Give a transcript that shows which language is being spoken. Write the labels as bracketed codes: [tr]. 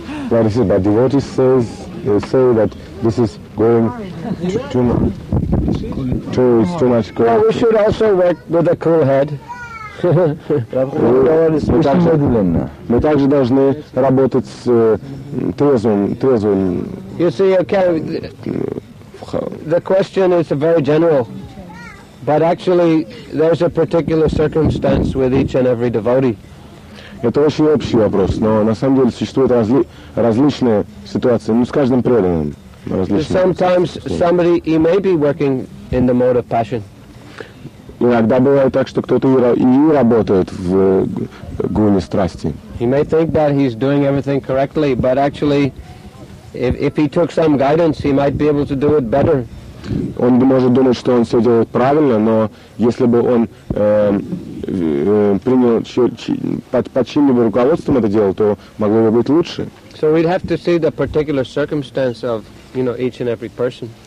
[en] Well, this is, but devotees say that this is going too much. Well, we should also work with a cool head. [ru] Мы также должны работать с трезвым. [en] You see, okay, the question is very general, but actually there's a particular circumstance with each and every devotee. [ru] Это очень общий вопрос, но на самом деле существуют различные ситуации. Ну, с каждым преданным различные. [en] Sometimes somebody he may be working in the mode of passion. [ru] Иногда бывает так, что кто-то и работает в гуне страсти. [en] He may think that he's doing everything correctly, but actually, if he took some guidance, he might be able to do it better. [ru] Он может думать, что он все делает правильно, но если бы он принял под чьим-либо руководством это делал, то могло бы быть лучше. [en] So we'd have to see the particular circumstance of, you know, each and every person.